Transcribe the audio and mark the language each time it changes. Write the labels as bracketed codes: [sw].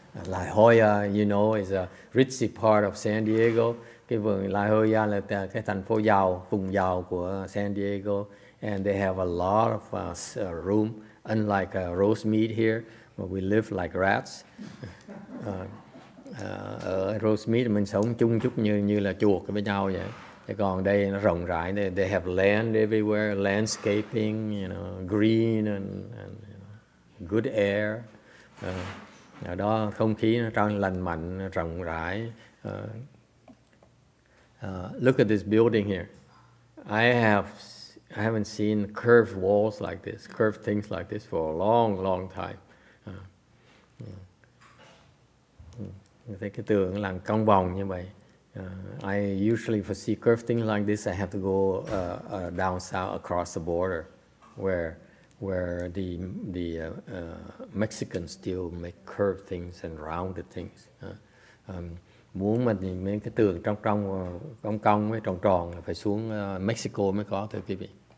[en] La Jolla, you know, is a ritzy part of San Diego. [vi] Cái vườn La Jolla là cái thành phố giàu, vùng giàu của San Diego. [en] And they have a lot of room, unlike Rosemead here, where we live like rats. [vi] Ở Rosemead mình sống chung chút như là chuột với nhau vậy. Còn đây nó rộng rãi, [en] they have land everywhere, landscaping, you know, green and good air. [vi] Ở đó không khí nó trong lành mạnh, rộng rãi. [en] Look at this building here. I haven't seen curved walls like this, curved things like this for a long, long time. [vi] Thấy cái tường là cong vòng như vậy. [en] I usually foresee curved things like this. I have to go down south across the border, where the Mexicans still make curved things and rounded things. [vi] Muốn mà nhìn mấy cái tường trong cong cong với tròn tròn là phải xuống Mexico mới có thưa quý vị.